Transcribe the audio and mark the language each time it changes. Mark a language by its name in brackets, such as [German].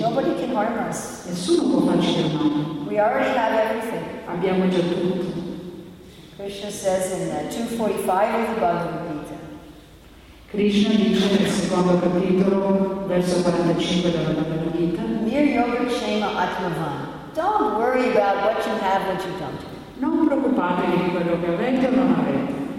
[English] Nobody can harm us. [Italian] Nessuno può farci del male. [English] We already have everything. [Italian] Abbiamo già tutto. [English] Krishna says in 2:45 of the Bhagavad Gita. [Italian] Krishna dice nel secondo capitolo, verso 45 della Bhagavad Gita. [Sanskrit] Mir yoga kshema atmavan. [English] Don't worry about what you have, what you don't. [Italian] Non preoccupatevi di quello che avete o non avete.